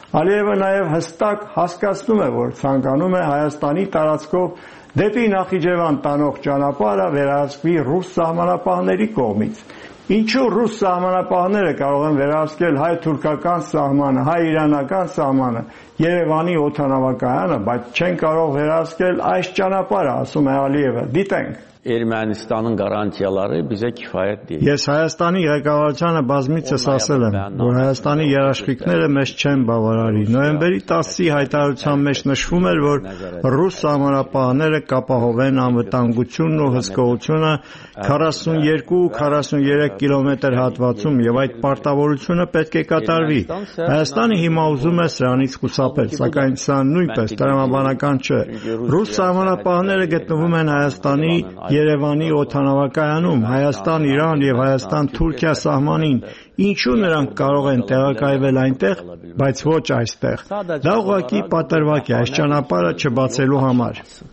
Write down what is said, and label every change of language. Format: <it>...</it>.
<hy>Ալիևը նաև հստակ հասկացնում է, որ ցանկանում է Հայաստանի տարածքով դեպի Նախիջևան տանող ճանապարհը վերահսկվի ռուս սահմանապահների կողմից։ Ինչու ռուս սահմանապահները կարող են վերահսկել հայ-թուրքական սահմանը, հայ-իրանական սահմանը, Երևանի օդանավակայանը, բայց չեն կարող վերահսկել այս ճանապարհը, ասում է Ալիևը։ Դիտենք.</hy> <az>Ermənistanın garantiyaları bizə kifayət deyil.</az> <hy>Ես Հայաստանի ղեկավարությանը բազմիցս ասել եմ, որ Հայաստանի երաշխիքները մեզ չեն բավարարի։ Նոյեմբերի 10-ի հայտարարության մեջ նշվում էր, որ ռուս սահմանապահները կապահովեն անվտանգությունն ու հսկողությունը 42-43 կիլոմետր հատվածում, և այդ պարտավորությունը պետք է կատարվի։ Հայաստանը հիմա ուզում է սրանից խուսափել, սակայն սա նույնպես տրամաբանական չէ։ Ռուս սահմանապահները գտնվում են Հայաստանի Երևանի օդանավակայանում, Հայաստան-Իրան և Հայաստան-Թուրքիա սահմանին, ինչու նրանք կարող են տեղակայվել այնտեղ, բայց ոչ այստեղ։ Դա ուղղակի պատրվակ է այս ճանապարհը չբացելու համար։</hy>